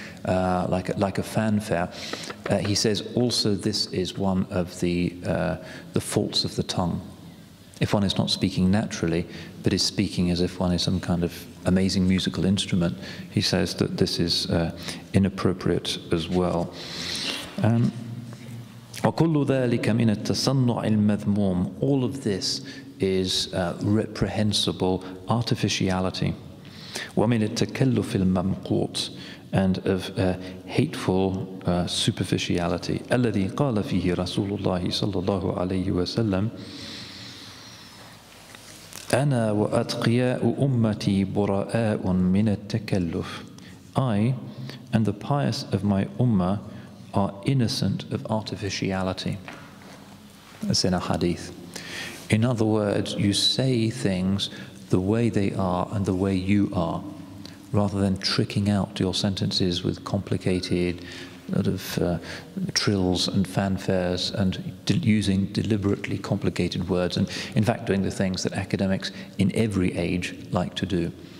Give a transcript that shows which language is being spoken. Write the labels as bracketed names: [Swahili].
[English] Like a fanfare, he says. Also, this is one of the faults of the tongue. If one is not speaking naturally, but is speaking as if one is some kind of amazing musical instrument, he says that this is inappropriate as well. [Arabic] وكل ذلك من التصنع المذموم. [English] All of this is reprehensible artificiality. [Arabic] ومن التكلف الممقوط. [English] And of hateful superficiality. [Arabic] الذي قال فيه رسول الله صلى الله عليه وسلم أنا وأتقياء أمتي براء من التكلف. [English] I and the pious of my ummah are innocent of artificiality. That's in a hadith. In other words, you say things the way they are and the way you are, rather than tricking out your sentences with complicated sort of trills and fanfares and using deliberately complicated words, and in fact doing the things that academics in every age like to do.